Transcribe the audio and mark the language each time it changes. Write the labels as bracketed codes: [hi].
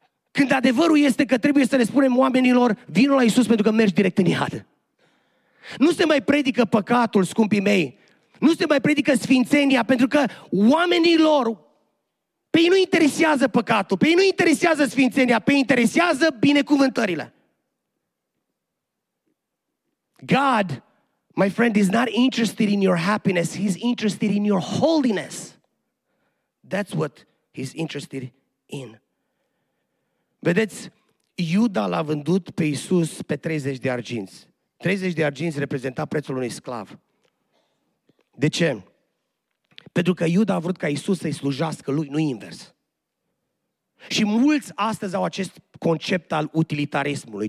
[ro] Când adevărul este că trebuie să le spunem oamenilor, vină la Iisus pentru că mergi direct în iad. Nu se mai predică păcatul, scumpii mei. Nu se mai predică sfințenia, pentru că oamenilor, pe ei nu interesează păcatul, pe ei nu interesează sfințenia, pe ei interesează binecuvântările. [en] God, my friend, is not interested in your happiness, he's interested in your holiness. That's what he's interested in. [ro] Vedeți, Iuda l-a vândut pe Iisus pe 30 de arginți. 30 de arginți reprezenta prețul unui sclav. De ce? Pentru că Iuda a vrut ca Iisus să-i slujească lui, nu invers. Și mulți astăzi au acest concept al utilitarismului.